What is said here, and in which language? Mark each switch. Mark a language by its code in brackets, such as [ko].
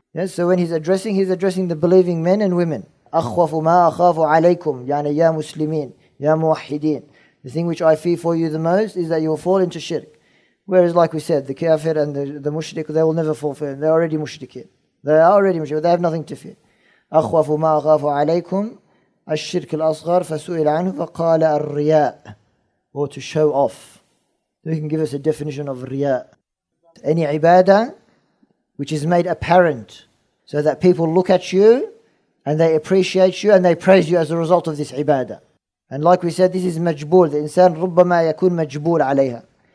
[en] Yes, so when he's addressing the believing men and women. [ar] أَخْوَفُ مَا أَخَافُ عَلَيْكُمْ يعني يا مسلمين يا موحدين. [en] The thing which I fear for you the most is that you will fall into shirk. Whereas like we said, the kafir and the mushrik, they will never fall for him. They're already mushrikin. They are already mushrik. They have nothing to fear. [ar] أَخْوَفُ مَا أَخَافُ عَلَيْكُمْ الشِّرْكِ الْأَصْغَرِ فَسُئِلْ عَنْهُ فَقَالَ الرِّيَاءِ [en] Or to show off. So you can give us a definition of riya. Any ibadah which is made apparent so that people look at you and they appreciate you and they praise you as a result of this ibadah. And like we said, this is majbool. The insan [ar] rubbama yakun majbool alayha.